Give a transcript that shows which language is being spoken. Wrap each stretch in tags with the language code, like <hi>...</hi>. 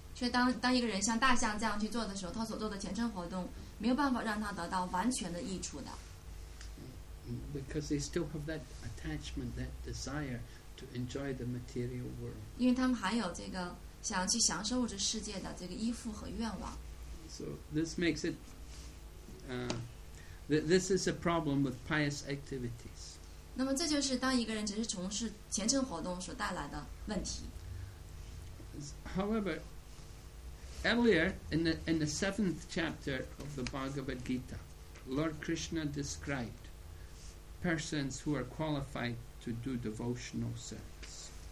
<zh>所以当一个人像大象这样去做的时候，他所做的前程活动没有办法让他得到完全的益处的。</zh> <en>because they still have that attachment, that desire to enjoy the material world.</en> <zh>因为他们还有这个想要去享受物质世界的这个依附和愿望。</zh> <en>So this makes it this is a problem with pious activities.</en> <zh>那么这就是当一个人只是从事虔诚活动所带来的问题。</zh> <en>However, earlier in the seventh chapter of the Bhagavad Gita, Lord Krishna described persons who are qualified to do devotional service.</en>